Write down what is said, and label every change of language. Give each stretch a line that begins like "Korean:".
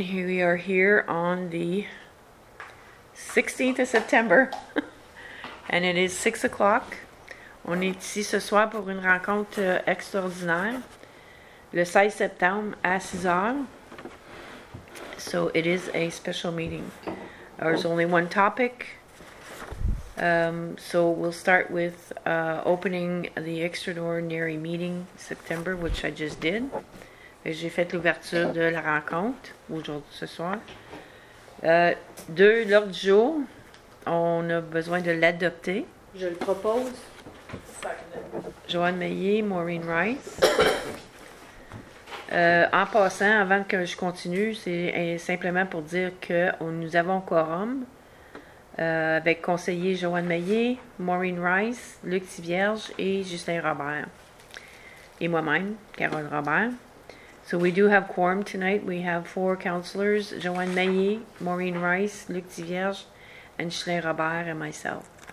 English: Here we are here on the 16th of September, and it is 6 o'clock.
French: On est ici ce soir pour une rencontre extraordinaire, le 16 septembre à 6 heures.
English: So, it is a special meeting. There's only one topic. So, we'll start with opening the extraordinary meeting September, which I just did.
French: J'ai fait l'ouverture de la rencontre aujourd'hui, ce soir. L'ordre du jour, on a besoin de l'adopter. Je le propose. Joanne Meillet, Maureen Rice. En passant, avant que je continue, c'est simplement pour dire que nous avons quorum avec conseiller Joanne Meillet, Maureen Rice, Luc Thivierge et Justin Robert. Et moi-même,
English: Carole Robert. So we do have quorum tonight. We have four counselors, Joanne Meillet, Maureen Rice, Luc Thivierge, and Chelet Robert and myself.